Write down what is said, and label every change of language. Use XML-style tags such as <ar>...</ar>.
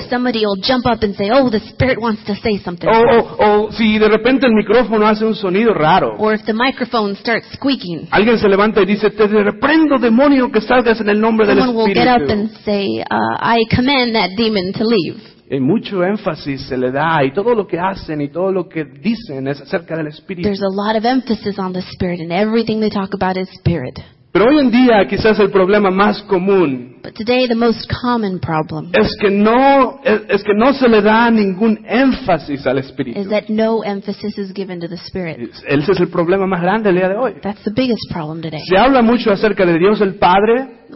<en>Somebody will jump up and say, oh, the Spirit wants to say something.</en> <es>Si de repente el micrófono hace un sonido raro.</es> <en>Or if the microphone starts squeaking.</en> <es>Alguien se levanta y dice, te reprendo, demonio, que salgas en el nombre del Espíritu.</es> <en>Someone will get up and say, I command that demon to leave.</en> <es>Y mucho énfasis se le da y todo lo que hacen y todo lo que dicen es acerca del Espíritu.</es> <en>There's a lot of emphasis on the Spirit and everything they talk about is Spirit.</en> <es>Pero hoy en día quizás el problema más común</es> <en>today, problem,</en> <es>es que no se le da ningún énfasis al Espíritu.</es> <en>Is that no emphasis is given to the Spirit.</en> <es>Ese es el problema más grande el día de hoy.</es> <en>That's the biggest problem today.</en> <es>Se habla mucho acerca de Dios el Padre.</es>